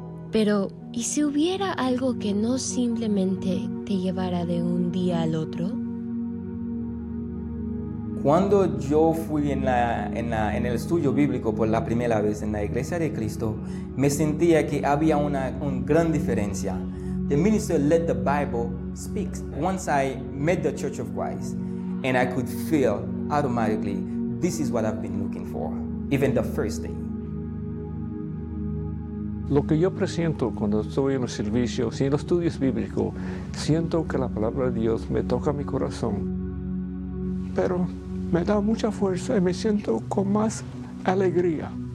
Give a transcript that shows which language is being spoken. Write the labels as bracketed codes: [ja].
[es] Pero, ¿y si hubiera algo que no simplemente te llevara de un día al otro? Cuando yo fui en el estudio bíblico por la primera vez en la Iglesia de Cristo, me sentía que había una gran diferencia. [en] The minister let the Bible speak. Once I met the Church of Christ, and I could feel automatically, this is what I've been looking for, even the first day. [es] Lo que yo presiento cuando estoy en el servicio, si en los estudios bíblicos, siento que la palabra de Dios me toca mi corazón, pero me da mucha fuerza y me siento con más alegría.